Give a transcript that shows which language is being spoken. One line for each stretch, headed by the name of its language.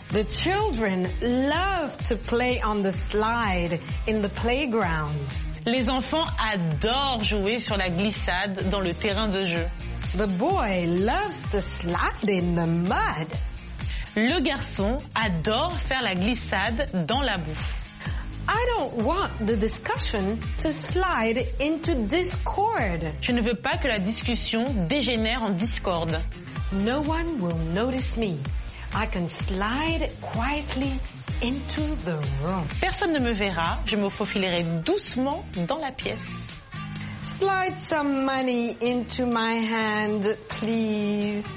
English: The children love to play on the slide in the playground.
French: Les enfants adorent jouer sur la glissade dans le terrain de jeu.
English: The boy loves to slide in the mud.
French: Le garçon adore faire la glissade dans la boue.
English: I don't want the discussion to slide into discord.
French: Je ne veux pas que la discussion dégénère en discorde.
English: No one will notice me. I can slide quietly into the room.
French: Personne ne me verra, je me faufilerai doucement dans la pièce.
English: Slide some money into my hand, please.